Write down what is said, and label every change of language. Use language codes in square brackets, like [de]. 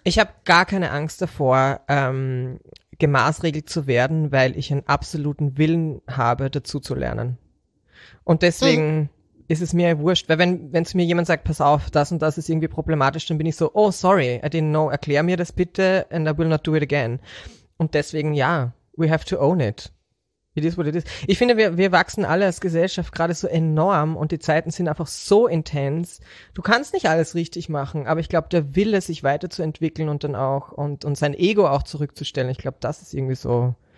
[de] Ich habe gar keine Angst davor, gemaßregelt zu werden, weil ich einen absoluten Willen habe, dazu zu lernen. Und deswegen ist es mir wurscht, weil wenn zu mir jemand sagt, pass auf, das und das ist irgendwie problematisch, dann bin ich so, [en] oh sorry, I didn't know, [de] erklär mir das bitte [en] and I will not do it again. [de] Und deswegen, ja, [en] we have to own it. It is what it is. [de] Ich finde, wir wachsen alle als Gesellschaft gerade so enorm und die Zeiten sind einfach so intens. Du kannst nicht alles richtig machen, aber ich glaube, der Wille, sich weiterzuentwickeln und dann auch und sein Ego auch zurückzustellen, ich glaube, das ist irgendwie so,